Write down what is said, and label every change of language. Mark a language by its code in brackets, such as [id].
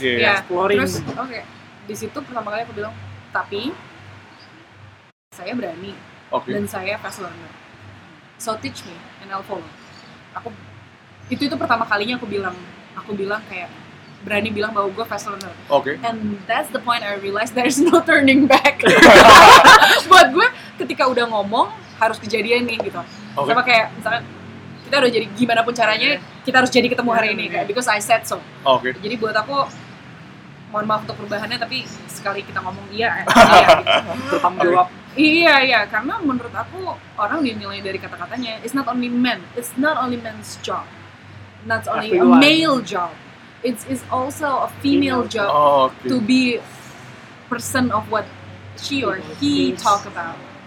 [en] exploring. [id] Terus, di situ pertama kali aku bilang, tapi saya berani dan saya [en] fast learner. So teach me and I'll follow. [id] Aku itu pertama kalinya aku bilang kayak berani bilang bahwa gue [en] fast learner. And that's the point I realized there's no turning back. [id] Buat gue ketika udah ngomong harus kejadian nih gitu. Sama kayak misalkan kita udah jadi gimana pun caranya kita harus jadi ketemu hari ini kayak [en] because I said so. [id] Jadi buat aku mohon maaf untuk perubahannya tapi sekali kita ngomong iya gitu. Iya, karena menurut aku orang dinilai dari kata-katanya. [en] It's not only men, it's not only men's job. Not only a male job. It's also a female job to be person of what she or he talk about.